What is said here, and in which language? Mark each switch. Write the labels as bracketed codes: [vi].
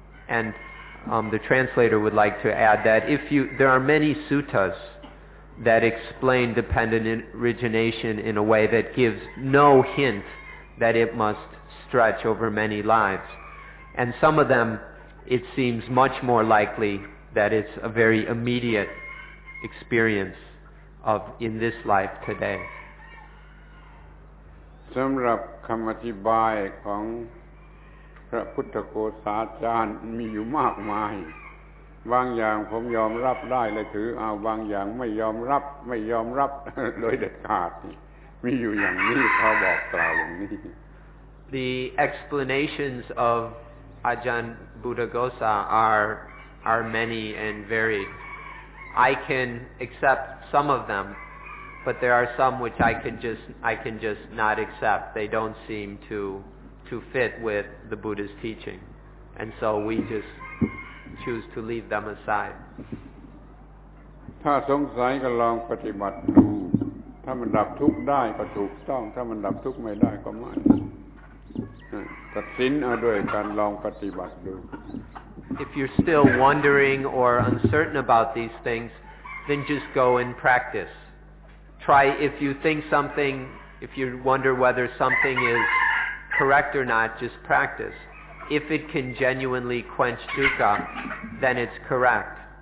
[en] And the translator would like to add that there are many suttas that explain dependent origination in a way that gives no hint that it must stretch over many lives. And some of them, it seems much more likely that it's a very immediate experience of in this life today. [th] สำหรับคำอธิบายของพระพุทธโฆษาจารย์มีอยู่มากมายบางอย่างผมยอมรับได้และถือเอาบางอย่างไม่ยอมรับโดยเด็ดขาดมีอยู่อย่างนี้เขาบอกกล่าวอย่างนี้ [en] The explanations of Ajahn Buddhaghosa are many and varied. I can accept some of them, but there are some which I can just not accept. They don't seem to fit with the Buddha's teaching, and so we just choose to leave them aside. [th] ถ้าสงสัยก็ลองปฏิบัติดูถ้ามันดับทุกข์ได้ก็ถูกต้องถ้ามันดับทุกข์ไม่ได้ก็ไม่ตัดสินเอาด้วยการลองปฏิบัติดู [en] If you're still wondering or uncertain about these things, then just go and practice. Try, if you wonder whether something is correct or not, just practice. If it can genuinely quench dukkha, then it's correct.